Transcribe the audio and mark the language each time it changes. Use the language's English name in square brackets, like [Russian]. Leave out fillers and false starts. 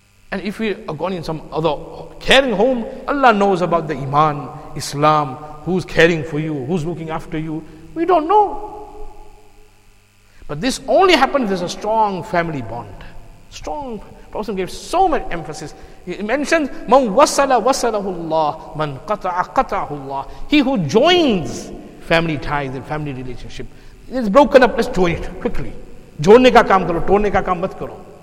[English] And if we are going in some other caring home, Allah knows about the Iman, Islam, who's caring for you, who's looking after you. We don't know. But this only happens if there's a strong family bond. Strong. Prophet gave so much emphasis. He mentioned, [Arabic] مَنْ وَسَلَ وَسَلَهُ اللَّهُ مَنْ قَطَعَ قَطَعَهُ اللَّهُ. [English] He who joins family ties and family relationship. It's broken up, let's join it quickly. [Urdu] جوڑنے کا کام کرو, توڑنے کا کام مت کرو.